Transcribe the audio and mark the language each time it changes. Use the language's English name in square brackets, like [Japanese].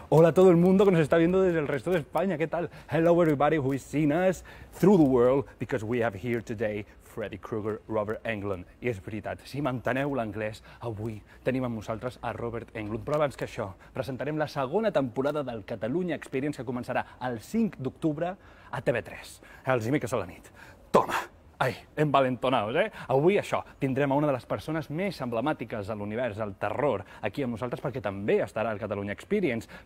[Spanish] Hola a todo el mundo que nos está viendo desde el resto de España. ¿Qué tal? [English] Hello, everybody who has seen us through the world because we have here today Freddy Krueger, Robert Englund. [Catalan] I és veritat, si manteneu l'anglès, avui tenim amb nosaltres a Robert Englund. Però abans que això, presentarem la segona temporada del Catalunya Experience que començarà el 5 d'octubre a TV3, els dimecres a la nit. Toma! [Spanish] Ai, envalentonaos, eh? [Catalan] Avui, això, tindrem a una de les persones més emblemàtiques de l'univers del terror aquí amb nosaltres, perquè també estarà al Catalunya Experience.